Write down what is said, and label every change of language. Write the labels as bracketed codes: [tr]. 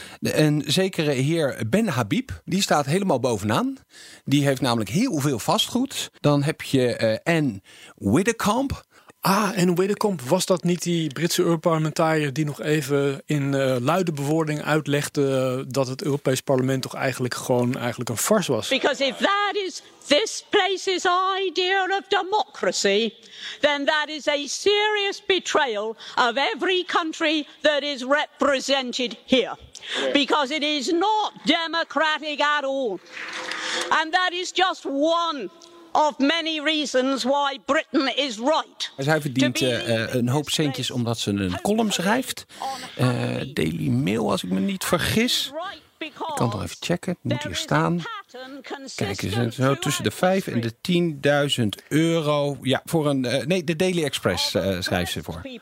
[nl] Een zekere heer Ben Habib, die staat helemaal bovenaan. Die heeft namelijk heel veel vastgoed. Dan heb je Anne Widdecombe. Ah, en Widdecombe, was dat niet die Britse Europarlementariër die nog even in luide bewoording uitlegde dat het Europees Parlement toch eigenlijk een farce was? [en] Because if that is this place's idea of democracy, then that is a serious betrayal of every country that is represented here. Because it is not democratic at all. And that is just one of many reasons why Britain is right. [nl] Zij verdient een hoop centjes omdat ze een column schrijft. Daily Mail, als ik me niet vergis. Ik kan toch even checken. Het moet hier staan. Kijk eens, zo tussen de 5 en de 10.000 euro. Ja, voor een. De Daily Express schrijft ze voor.